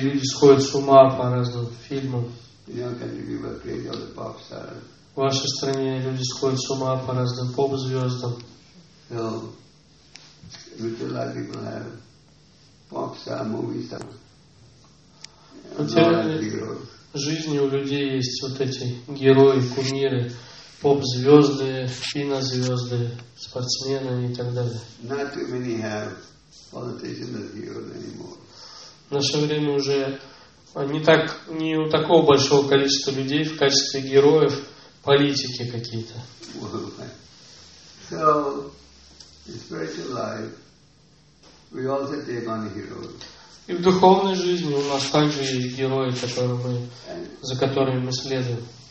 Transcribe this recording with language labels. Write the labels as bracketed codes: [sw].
[ru] люди сходят с ума по разным фильмам. В вашей стране люди сходят с ума по разным поп-звездам. [en] which a lot of people have, pop star, movie star. [ru] В жизни у людей есть вот эти герои, кумиры, поп-звезды, кинозвезды, спортсмены и так далее. [en] Not too many have politicians as heroes anymore. [ru] В наше время уже не так, не у такого большого количества людей в качестве героев политики какие-то. [en] So, in spiritual life, we also take on heroes. [ru] И в духовной жизни у нас также есть герои, которые мы, за которыми мы следуем.